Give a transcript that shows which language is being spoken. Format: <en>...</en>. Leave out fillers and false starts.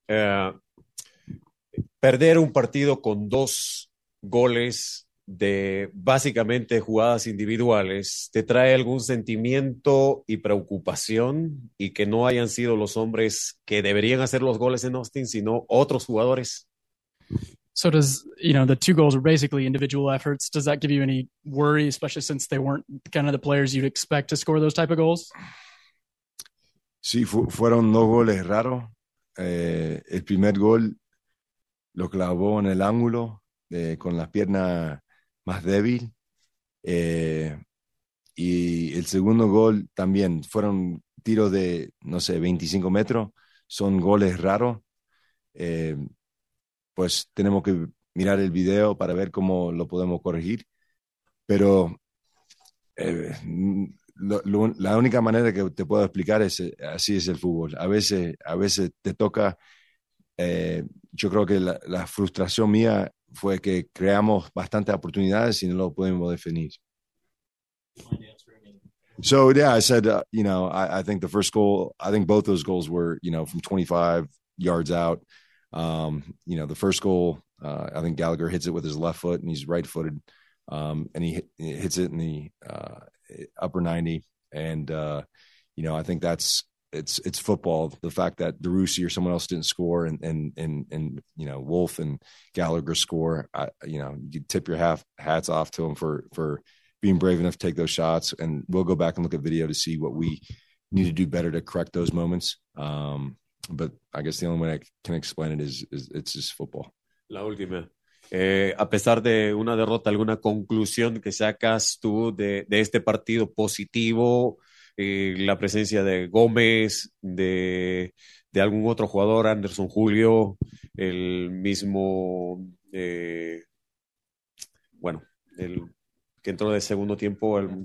<es>Perder un partido con dos goles de básicamente jugadas individuales, ¿te trae algún sentimiento y preocupación? Y que no hayan sido los hombres que deberían hacer los goles en Austin, sino otros jugadores.</es> <en>So does, you know, the two goals are basically individual efforts. Does that give you any worry, especially since they weren't kind of the players you'd expect to score those type of goals?</en> <es>Sí, fueron dos goles raros. El primer gol lo clavó en el ángulo con la pierna más débil. Y el segundo gol también fueron tiros de, no sé, 25 metros. Son goles raros. Pues tenemos que mirar el video para ver cómo lo podemos corregir. Pero la única manera que te puedo explicar es así es el fútbol. A veces te toca, yo creo que la frustración mía fue que creamos bastantes oportunidades y no lo podemos definir.</es> <en>So, yeah, I said, you know, I think the first goal, I think both those goals were, you know, from 25 yards out. You know, the first goal, I think Gallagher hits it with his left foot and he's right footed. And he hits it in the upper 90. And, you know, I think it's football. The fact that DeRussi or someone else didn't score and, you know, Wolf and Gallagher score, you know, you could tip your hats off to them for being brave enough to take those shots. And we'll go back and look at video to see what we need to do better to correct those moments. But I guess the only way I can explain it is it's just football.</en> <es>La última. A pesar de una derrota, ¿alguna conclusión que sacas tú de este partido positivo? La presencia de Gómez, de algún otro jugador, Anderson Julio, el mismo, bueno, el que entró de segundo tiempo.</es>